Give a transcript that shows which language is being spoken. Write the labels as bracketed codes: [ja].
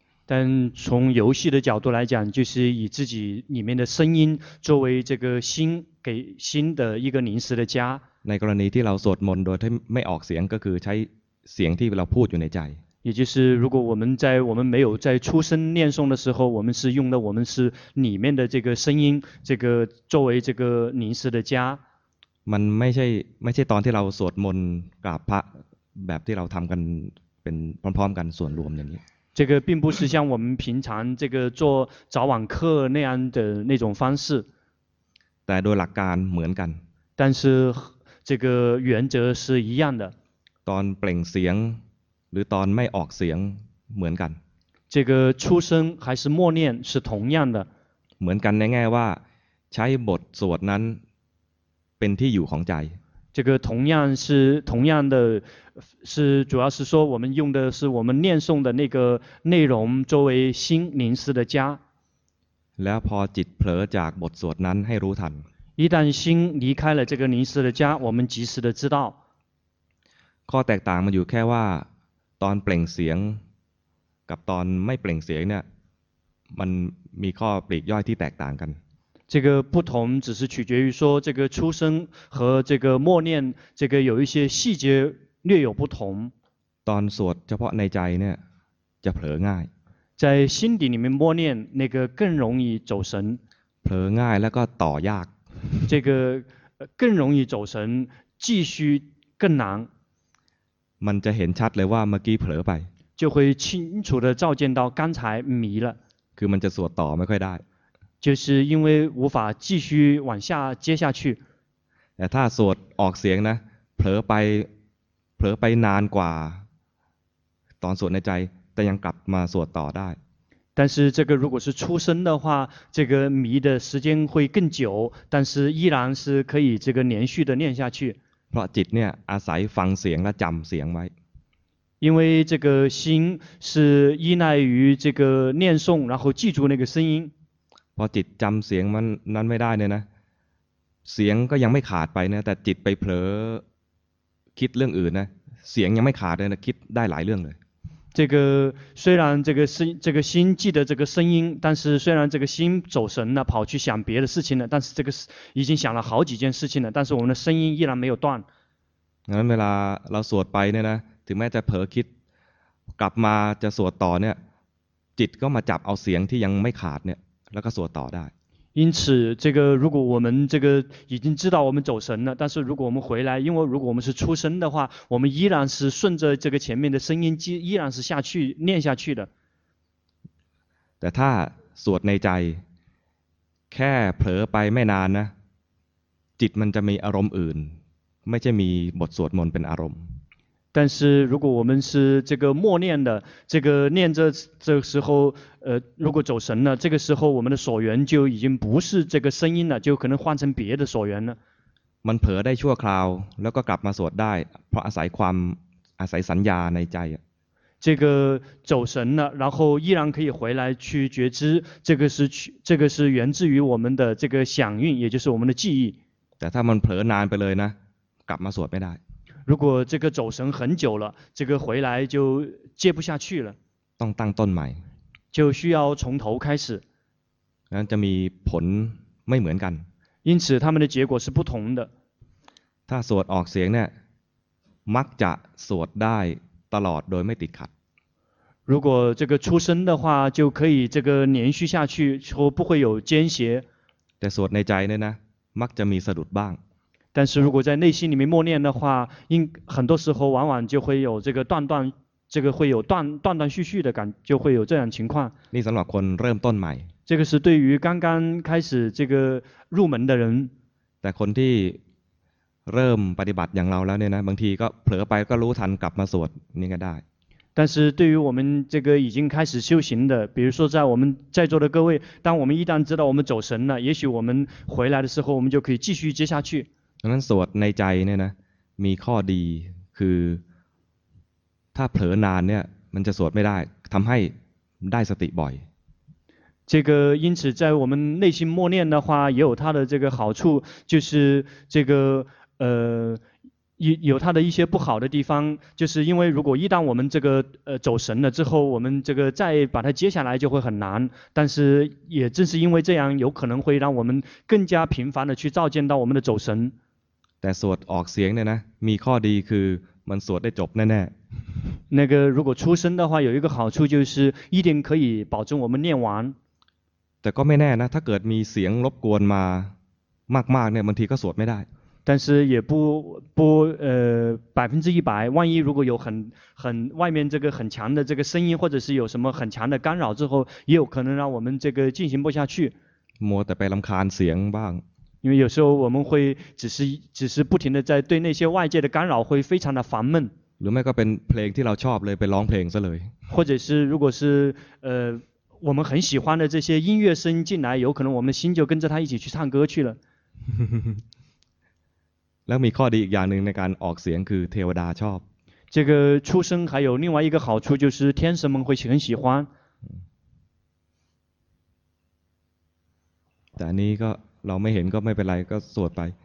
[zh] 但从游戏的角度来讲，就是以自己里面的声音作为这个心给心的一个临时的家。 [th] ในกรณีที่เราสวดมนต์โดยที่ไม่ออกเสียงก็คือใช้เสียงที่เราพูดอยู่ในใจ。 [zh] 也就是如果我们没有在出声念诵的时候，我们是用的我们是里面的这个声音，这个作为这个临时的家。 [th] มันไม่ใช่ตอนที่เราสวดมนต์กราบพระแบบที่เราทำกันเป็นพร้อมๆกันส่วนรวมอย่างนี้ [zh] 这个并不是像我们平常这个做早晚课那样的那种方式。 [th] แต่โดยหลักการเหมือนกัน。 [zh] 但是这个原则是一样的。 [th] ตอนเปล่งเสียงหรือตอนไม่ออกเสียงเหมือนกัน。 [zh] 这个出声还是默念是同样的。 [th] เหมือนกันในแง่ว่าใช้บทสวดนั้นเป็นที่อยู่ของใจ。 [zh] 这个同样的是主要是说我们用的是我们念诵的那个内容作为心临时的家 [th] แล้วพอจิตเผลอจากบทสวดนั้นให้รู้ทัน [zh] 一旦心离开了这个临时的家我们及时的知道 [th] ข้อแตกต่างมันอยู่แค่ว่าตอนเปล่งเสียงกับตอนไม่เปล่งเสียงเนี่ยมันมีข้อปลีกย่อยที่แตกต่างกัน [zh] 这个不同只是取决于说这个出生和这个默念这个有一些细节略有不同 [th] ตอนสวดเฉพาะในใจเนี่ยจะเผลอง่าย [zh] 在心底里面默念那个更容易走神 [th] เผลอง่ายแล้วก็ต่อยาก [zh] 这个更容易走神继续更难 [th] มันจะเห็นชัดเลยว่าเมื่อกี้เผลอไป [zh] 就会清楚的照见到刚才迷了 [th] คือมันจะสวดต่อไม่ค่อยได้ [zh] 就是因为无法继续往下接下去。 [th] แต่ถ้าสวดออกเสียงนะเผลอไปนานกว่าตอนสวดในใจแต่ยังกลับมาสวดต่อได้。 [zh] 但是这个如果是出声的话，这个迷的时间会更久，但是依然是可以这个连续的念下去。 [th] เพราะจิตเนี่ยอาศัยฟังเสียงและจำเสียงไว้。 [zh] 因为这个心是依赖于这个念诵，然后记住那个声音。 [th] พอจิตจำเสียงมันนั้นไม่ได้เนี่ยนะเสียงก็ยังไม่ขาดไปนะแต่จิตไปเผลอคิดเรื่องอื่นนะเสียงยังไม่ขาดเลยนะคิดได้หลายเรื่องเลย [zh] 这个虽然这个心记得这个声音但是虽然这个心走神了跑去想别的事情了但是这个已经想了好几件事情了但是我们的声音依然没有断 [th] งั้นเวลาเราสวดไปเนี่ยนะถึงแม้จะเผลอคิดกลับมาจะสวดต่อเนี่ยจิตก็มาจับเอาเสียงที่ยังไม่ขาดเนี่ยแล้วก็สวดต่อได้ [zh] 因此这个如果我们这个已经知道我们走神了但是如果我们回来因为如果我们是出声的话我们依然是顺着这个前面的声音依然是下去念下去的 [th] แต่ถ้าสวดในใจ แค่เผลอไปไม่นานนะจิตมันจะมีอารมณ์อื่นไม่ใช่มีบทสวดมนต์เป็นอารมณ์ [zh] 但是如果我们是这个默念的这个念着这个时候如果走神了这个时候我们的所缘就已经不是这个声音了就可能换成别的所缘了 [th] มันเผลอได้ชั่วคราวแล้วก็กลับมาสวดได้เพราะอาศัยความอาศัยสัญญาในใจ [zh] 这个走神了然后依然可以回来去觉知这个是源自于我们的这个响应也就是我们的记忆 [th] แต่ถ้ามันเผลอนานไปเลยนะกลับมาสวดไม่ได้ [zh] 如果这个走神很久了这个回来就接不下去了 [th] ต้องตั้งต้นใหม่ [zh] 就需要从头开始 [th] งั้นจะมีผลไม่เหมือนกัน [zh] 因此他们的结果是不同的 [th] ถ้าสวดออกเสียงเนี่ยมักจะสวดได้ตลอดโดยไม่ติดขัด [zh] 如果这个出声的话就可以这个连续下去说不会有间歇 [th] แต่สวดในใจเนี่ยนะมักจะมีสะดุดบ้าง [zh] 但是如果在内心里面默念的话应很多时候往往就会有这个断断这个会有断断续续的感就会有这样情况 [th] นี่สำหรับคนเริ่มต้นใหม่ [zh] 这个是对于刚刚开始这个入门的人 [th] แต่คนที่เริ่มปฏิบัติอย่างเราแล้วเนี่ยนะบางทีก็เผลอไปก็รู้ทันกลับมาสวดนี่ก็ได้ [zh] 但是对于我们这个已经开始修行的比如说在我们在座的各位当我们一旦知道我们走神了也许我们回来的时候我们就可以继续接下去 [th] ดังนั้นสวดในใจเนี่ยนะมีข้อดีคือถ้าเผลอนานเนี่ยมันจะสวดไม่ได้ทำให้ได้สติบ่อย [zh] 这个因此在我们内心默念的话也有它的这个好处就是这个有它的一些不好的地方就是因为如果一旦我们这个走神了之后我们这个再把它接下来就会很难但是也正是因为这样有可能会让我们更加频繁的去照见到我们的走神 [th] แต่สวดออกเสียงเนี่ยนะมีข้อดีคือมันสวดได้จบแน่ [zh] ๆ那个如果出声的话有一个好处就是一定可以保证我们念完 [th] แต่ก็ไม่แน่นะถ้าเกิดมีเสียงรบกวนมามากๆเนี่ยบางทีก็สวดไม่ได้ [zh] 但是也不100%万一如果有很外面这个很强的这个声音或者是有什么很强的干扰之后也有可能让我们这个进行不下去摸得被人看死人吧因为有时候我们会只是不停的在对那些外界的干扰会非常的烦闷 [th] หรือไม่ก็เป็นเพลงที่เราชอบเลยไปร้องเพลงซะเลย [zh] 或者是如果是我们很喜欢的这些音乐声进来有可能我们心就跟着他一起去唱歌去了 [th] แล้วมีข้อดีอีกอย่างหนึ่งในการออกเสียงคือเทวดาชอบ [zh] 这个出声还有另外一个好处就是天神们会很喜欢 [th] แต่นี้ก็เราไม่เห็นก็ไม่เป็นไรก็สวดไป